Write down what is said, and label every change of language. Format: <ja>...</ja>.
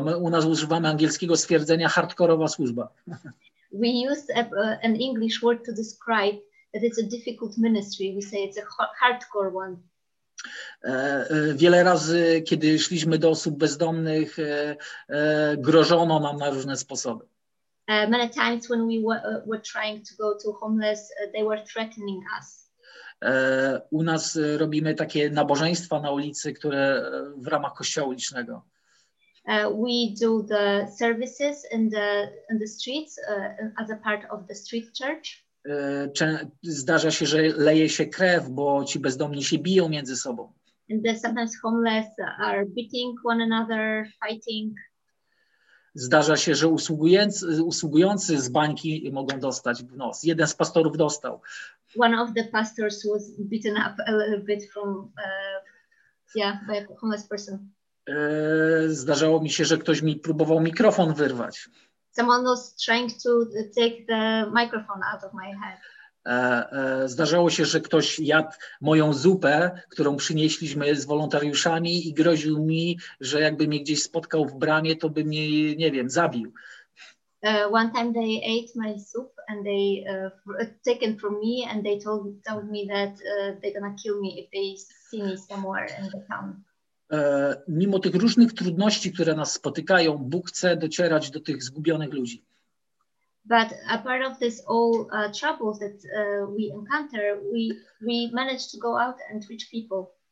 <pl>My u nas używamy angielskiego stwierdzenia hardkorowa służba.</pl> <en>We use an English word to describe that it's a difficult ministry. We say it's a hardcore one.</en> <pl>Wiele razy, kiedy szliśmy do osób bezdomnych, grożono nam na różne sposoby.</pl> <en>Many times when we were trying to go to homeless, they were threatening us.</en> <pl>U nas robimy takie nabożeństwa na ulicy, które w ramach kościoła ulicznego.</pl> <en>We do the services in the streets as a part of the street church.</en> <pl>Zdarza się, że leje się krew, bo ci bezdomni się biją między sobą.</pl> <en>And sometimes homeless are beating one another, fighting.</en> <pl>Zdarza się, że usługujący z bańki mogą dostać w nos. Jeden z pastorów dostał.</pl> <en>One of the pastors was beaten up a little bit from, by a homeless person.</en> <pl>Zdarzało mi się, że ktoś mi próbował mikrofon wyrwać.</pl> <en>Someone was trying to take the microphone out of my head.</en> <pl>Zdarzało się, że ktoś jadł moją zupę, którą przynieśliśmy z wolontariuszami i groził mi, że jakby mnie gdzieś spotkał w bramie, to by mnie, nie wiem, zabił.</pl> <en>One time they ate my soup and they taken from me and they told me that they're gonna kill me if they see me somewhere in the town.</en> <pl>Mimo tych różnych trudności, które nas spotykają, Bóg chce docierać do tych zgubionych ludzi.</pl> <en>But a part of this all troubles that we encounter, we manage to go out and reach people.</en>